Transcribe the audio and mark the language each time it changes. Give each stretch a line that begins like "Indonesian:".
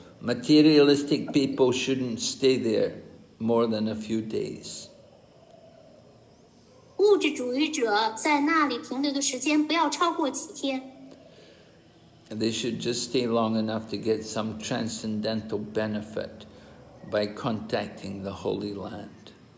English: Materialistic people shouldn't stay there more than a few days.
Chinese: 物质主义者在那里停留的时间不要超过几天。
English: They should just stay long enough to get some transcendental benefit by contacting the Holy Land.